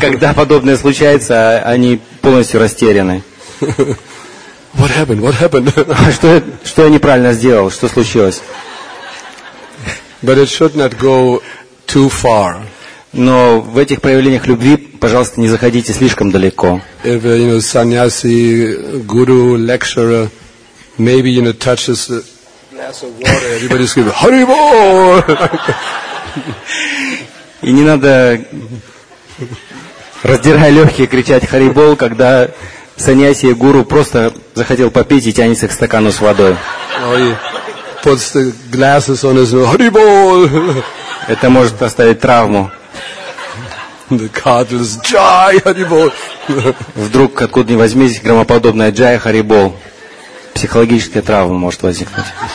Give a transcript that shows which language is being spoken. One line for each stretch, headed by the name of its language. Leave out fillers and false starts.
Russian: Когда подобное случается, они полностью растеряны.
English: What happened? What happened?
Russian: Что я неправильно сделал? Что случилось?
English: But it should not go too far.
Russian: Но в этих проявлениях любви, пожалуйста, не заходите слишком далеко.
English: If you know, sannyasi, guru, lecturer, maybe you know, touches a glass of water, everybody's going, "Hari Bol!"
Russian: И не надо, раздирая легкие, кричать "Hari Bol", когда Саньяси, гуру, просто захотел попить и тянется к стакану с водой.
English: Oh, he puts the glasses on his nose. Hari Bol!
Russian: Это может оставить травму.
English: The cardinal is Jai Hari Bol!
Russian: Вдруг, откуда ни возьмись, громоподобная Jai Hari Bol. Психологическая травма может возникнуть.